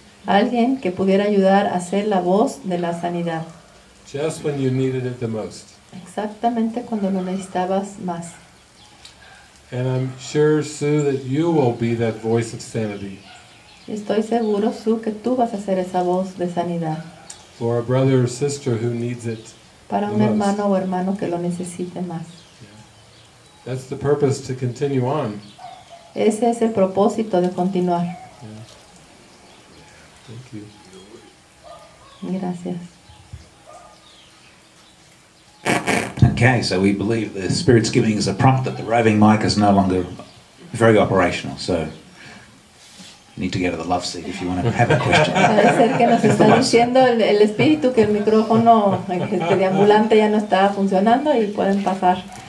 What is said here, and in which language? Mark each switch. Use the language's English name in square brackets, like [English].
[Spanish] Alguien que pudiera ayudar a ser la voz de la sanidad. [English] Just when you needed it the most. [Spanish] Exactamente cuando lo necesitabas más. [English] And I'm sure, Sue, that you will be that voice of sanity. [Spanish] Estoy seguro, Sue, que tú vas a ser esa voz de sanidad. [English] For a brother or sister who needs it. [Spanish] Para un hermano o hermano que lo necesite más. [English] Yeah. That's the purpose to continue on. [Spanish] Ese es el propósito de continuar. [English] Yeah. Thank you. [Spanish] Gracias. [English] Okay, so we believe the Spirit's giving us a prompt that the roving mic is no longer very operational, so you need to get to the love seat if you want to have a question. [Spanish] Puede ser que nos está diciendo el Espíritu que el micrófono deambulante ya no está funcionando y pueden pasar.